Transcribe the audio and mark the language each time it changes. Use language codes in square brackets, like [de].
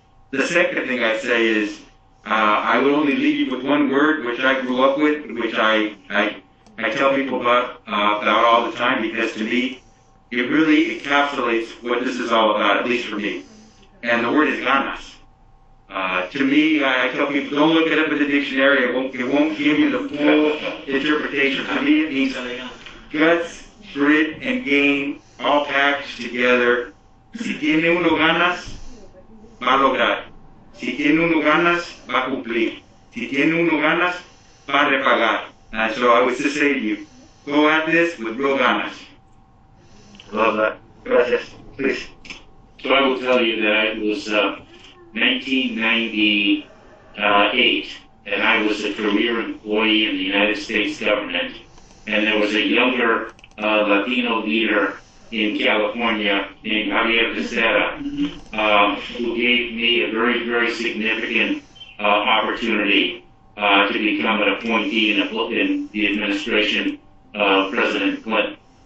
[en] The second thing I'd say is I would only leave you with one word, which I grew up with, which I tell people about all the time, because to me, it really encapsulates what this is all about, at least for me. And the word is ganas. To me, I tell people, don't look it up in the dictionary. It won't give you the full interpretation. To me, it means guts, grit, and game all packed together. [es] Si tiene uno ganas, va a lograr. Si tiene uno ganas, va a cumplir. Si tiene uno ganas, va a repagar. [en] And so I would just say to you, go at this with real ganas. Love that. Gracias. Please. So I will tell you that it was 1998, and I was a career employee in the United States government, and there was a younger Latino leader in California named Javier Becerra, who gave me a very, very significant opportunity to become an appointee in the administration of President Clinton.